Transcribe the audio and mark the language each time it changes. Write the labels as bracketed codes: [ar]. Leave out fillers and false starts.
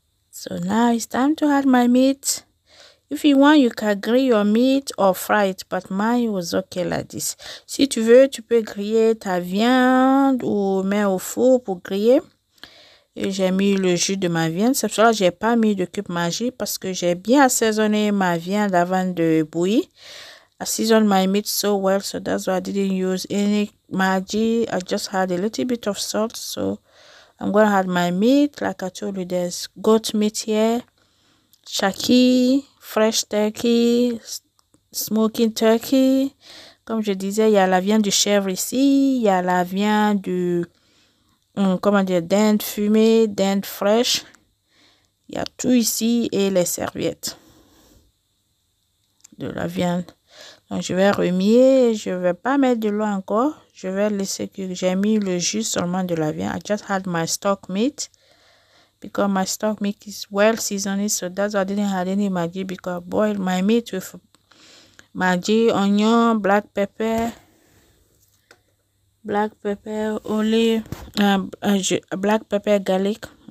[en] So now it's time to add my meat. If you want, you can grill your meat or fry it. But mine was okay like this. [fr] Si tu veux, tu peux griller ta viande ou mettre au four pour griller. Et j'ai mis le jus de ma viande. C'est pour ça que j'ai pas mis de cube magique parce que j'ai bien assaisonné ma viande avant de bouillir. [en] I seasoned my meat so well, so that's why I didn't use any magic. I just had a little bit of salt, so I'm going to add my meat, like I told you, there's goat meat here, shaki, fresh turkey, smoking turkey. [fr] Comme je disais, il y a la viande du chèvre ici, il y a la viande du, comment dire, dinde fumée, dinde fraîche. Il y a tout ici et les serviettes de la viande. Donc, je vais remuer, je vais pas mettre de l'eau encore. Je vais laisser que j'ai mis le jus seulement de la viande. [en] I just had my stock meat. Because my stock meat is well seasoned. So that's why I didn't add any maggi. Because I boiled my meat with maggi, onion, black pepper. Black pepper, olive. Black pepper, garlic.